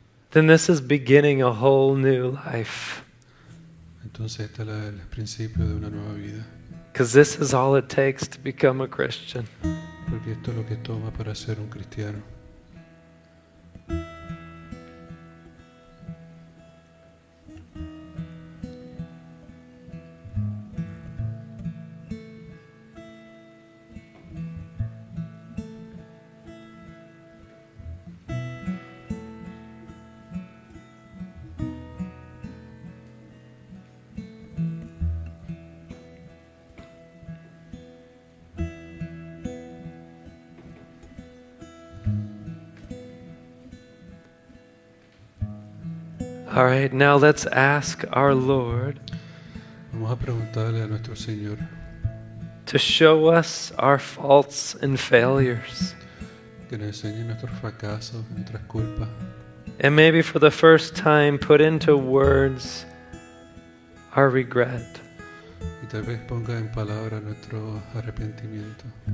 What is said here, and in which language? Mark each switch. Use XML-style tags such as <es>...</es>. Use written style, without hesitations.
<en>then this is beginning a whole new life.</en> <es>Entonces, este es el principio de una nueva vida.</es> <en>Because this is all it takes to become a Christian.</en> <es>Porque esto es lo que toma para ser un cristiano.</es> <en>All right, now let's ask our Lord.</en> <es>Vamos a preguntarle a nuestro Señor.</es> <en>To show us our faults and failures.</en> <es>Que nos enseñe nuestros fracasos, nuestras culpas.</es> <en>And maybe for the first time put into words our regret.</en> <es>Y tal vez ponga en palabra nuestro arrepentimiento.</es>